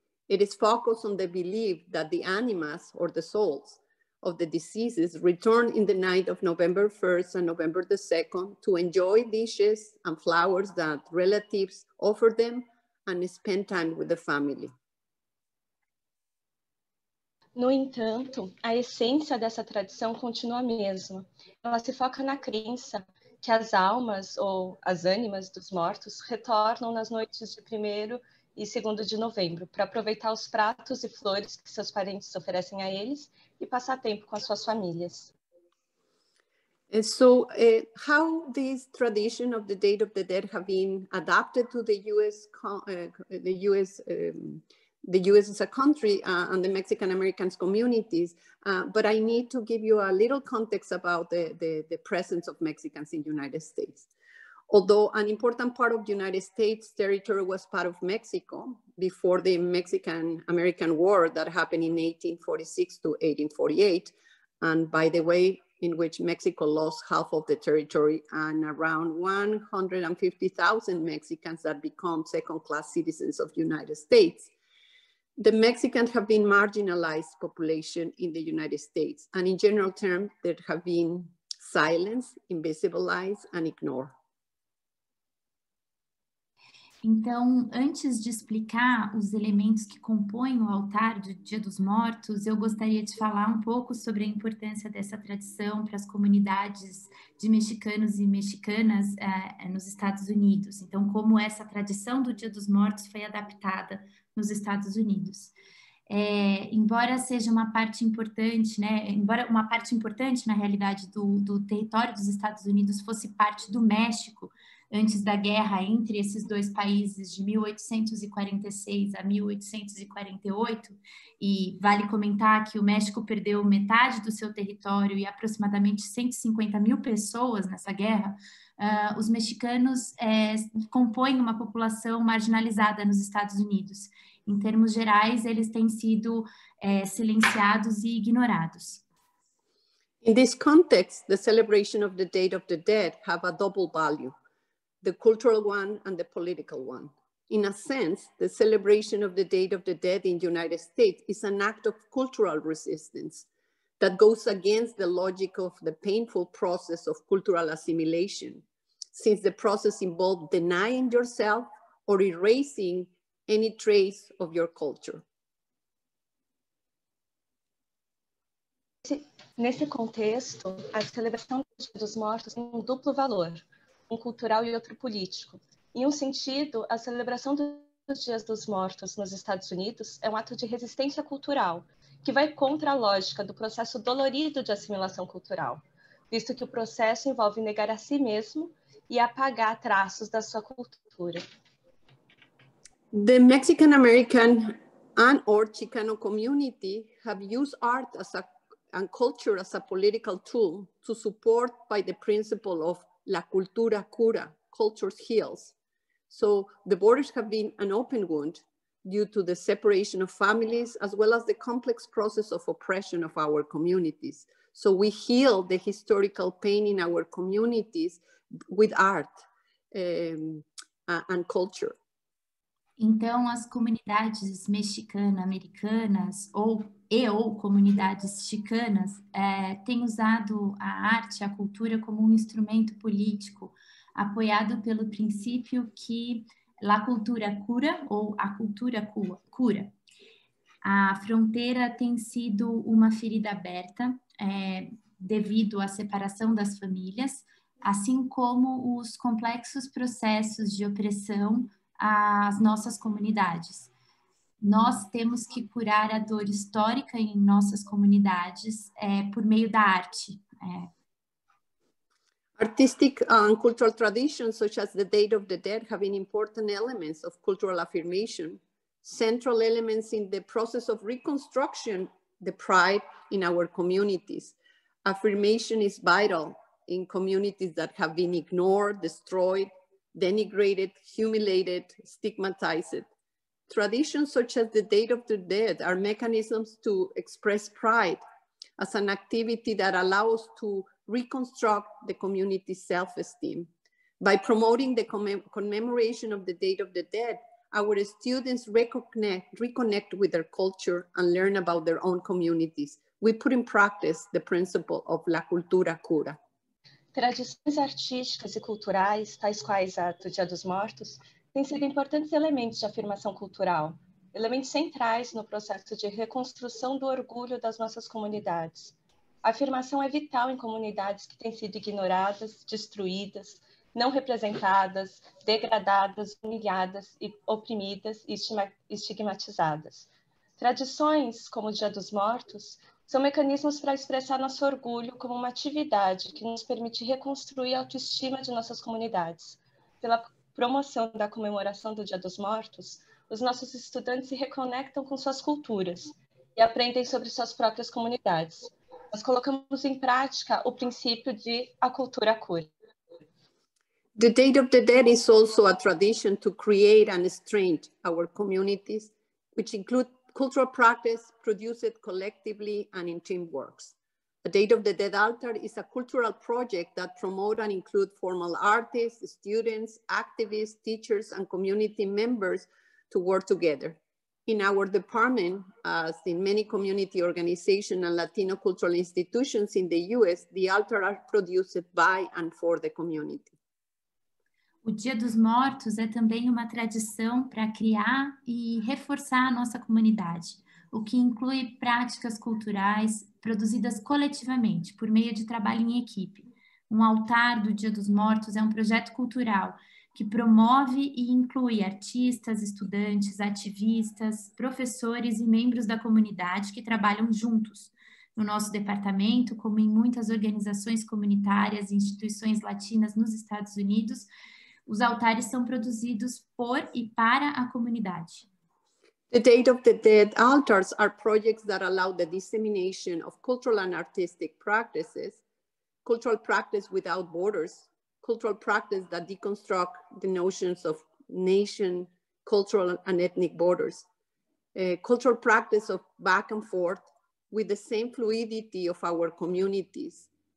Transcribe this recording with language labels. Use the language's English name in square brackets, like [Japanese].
[English] It is focused on the belief that the animas or the souls of the deceased return in the night of November 1st and November the 2nd to enjoy dishes and flowers that relatives offer them and spend time with the family. [Portuguese] No entanto, a essência dessa tradição continua a mesma. Ela se foca na crença que as almas ou as ânimas dos mortos retornam nas noites de 1º e 2º de novembro para aproveitar os pratos e flores que seus parentes oferecem a eles e passar tempo com as suas famílias. [English] So, how this tradition of the date of the dead have been adapted to the US, the US is a country and the Mexican American communities, but I need to give you a little context about the presence of Mexicans in the United States. Although an important part of the United States territory was part of Mexico before the Mexican American War that happened in 1846 to 1848, and by the way, in which Mexico lost half of the territory and around 150,000 Mexicans that become second class citizens of the United States. The Mexicans have been marginalized population in the United States, and in general terms, they have been silenced, invisibilized, and ignored. [Portuguese] Então, antes de explicar os elementos que compõem o altar do Dia dos Mortos, eu gostaria de falar um pouco sobre a importância dessa tradição para as comunidades de mexicanos e mexicanas nos Estados Unidos. Então, como essa tradição do Dia dos Mortos foi adaptada nos Estados Unidos. Embora seja uma parte importante, né, embora uma parte importante, na realidade, do território dos Estados Unidos fosse parte do México, antes da guerra entre esses dois países de 1846 a 1848, e vale comentar que o México perdeu metade do seu território e aproximadamente 150 mil pessoas nessa guerra, os mexicanos compõem uma população marginalizada nos Estados Unidos. Em termos gerais, eles têm sido silenciados e ignorados. [English] In this context, the celebration of the date of the dead have a double value, the cultural one and the political one. In a sense, the celebration of the date of the dead in the United States is an act of cultural resistance that goes against the logic of the painful process of cultural assimilation, since the process involves denying yourself or erasing any trace of your culture. [Portuguese] Nesse contexto, a celebração dos mortos tem um duplo valor, um cultural e outro político. Em um sentido, a celebração dos Dias dos Mortos nos Estados Unidos é um ato de resistência cultural, que vai contra a lógica do processo dolorido de assimilação cultural, visto que o processo envolve negar a si mesmo e apagar traços da sua cultura. [English] The Mexican American and or Chicano community have used art as a, and culture as a political tool to support by the principle of [Spanish] la cultura cura, [English] culture heals. So the borders have been an open wound due to the separation of families, as well as the complex process of oppression of our communities. So we heal the historical pain in our communities with art and culture. [Portuguese] Então, as comunidades mexicano-americanas ou comunidades chicanas têm usado a arte, a cultura como um instrumento político, apoiado pelo princípio que [Spanish] la cultura cura [Portuguese] ou a cultura cura. A fronteira tem sido uma ferida aberta devido à separação das famílias, assim como os complexos processos de opressão às nossas comunidades. Nós temos que curar a dor histórica em nossas comunidades por meio da arte. [English] Artistic and cultural traditions, such as the Day of the Dead, have been important elements of cultural affirmation, central elements in the process of reconstruction, the pride in our communities. Affirmation is vital in communities that have been ignored, destroyed, denigrated, humiliated, stigmatized. Traditions such as the Day of the Dead are mechanisms to express pride as an activity that allows to reconstruct the community's self-esteem. By promoting the commemoration of the Day of the Dead, our students reconnect with their culture and learn about their own communities. We put in practice the principle of [Spanish] la cultura cura. [Portuguese] Tradições artísticas e culturais, tais quais a do Dia dos Mortos, têm sido importantes elementos de afirmação cultural, elementos centrais no processo de reconstrução do orgulho das nossas comunidades. A afirmação é vital em comunidades que têm sido ignoradas, destruídas, não representadas, degradadas, humilhadas, oprimidas e estigmatizadas. Tradições, como o Dia dos Mortos, são mecanismos para expressar nosso orgulho como uma atividade que nos permite reconstruir a autoestima de nossas comunidades. Pela promoção da comemoração do Dia dos Mortos, os nossos estudantes se reconectam com suas culturas e aprendem sobre suas próprias comunidades. Nós colocamos em prática o princípio de a cultura cura. [English] The Day of the Dead is also a tradition to create and strengthen our communities, which include cultural practice produced collectively and in teamworks. The Day of the Dead altar is a cultural project that promotes and includes formal artists, students, activists, teachers, and community members to work together. In our department, as in many community organizations and Latino cultural institutions in the US, the altar are produced by and for the community. [Portuguese] O Dia dos Mortos é também uma tradição para criar e reforçar a nossa comunidade, o que inclui práticas culturais produzidas coletivamente por meio de trabalho em equipe. Um altar do Dia dos Mortos é um projeto cultural que promove e inclui artistas, estudantes, ativistas, professores e membros da comunidade que trabalham juntos. No nosso departamento, como em muitas organizações comunitárias e instituições latinas nos Estados Unidos, os altares são produzidos por e para a comunidade. [English] The Day of the Dead altars are projects that allow the dissemination of cultural and artistic practices, cultural practice without borders, cultural practice that deconstruct the notions of nation, cultural and ethnic borders, cultural practice of back and forth with the same fluidity of our communities.